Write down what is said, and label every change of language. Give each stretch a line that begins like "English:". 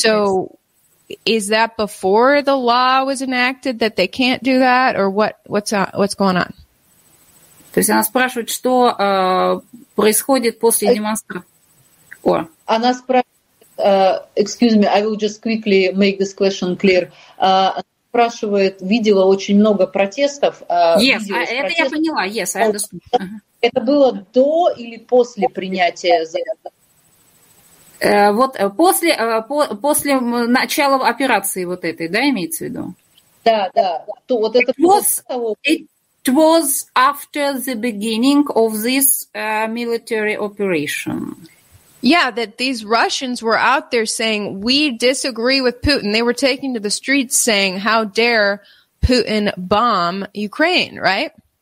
English: So is that before the law was enacted that they can't do that, or what's going on?
Russian: То есть она спрашивает, что происходит после демонстрации. Она спрашивает,
English: excuse me, I will just quickly make this question clear.
Russian: Она спрашивает, видела очень много протестов.
English: Yes,
Russian: это я поняла,
English: yes, I understand.
Russian: Это было до или после принятия закона? Вот после, после начала операции вот этой, да, имеется в виду? Да, да. То, вот это
English: It was after the beginning of this military operation. Yeah, that these Russians were out there saying, we disagree with Putin. They were taken to the streets saying, how dare Putin bomb Ukraine, right?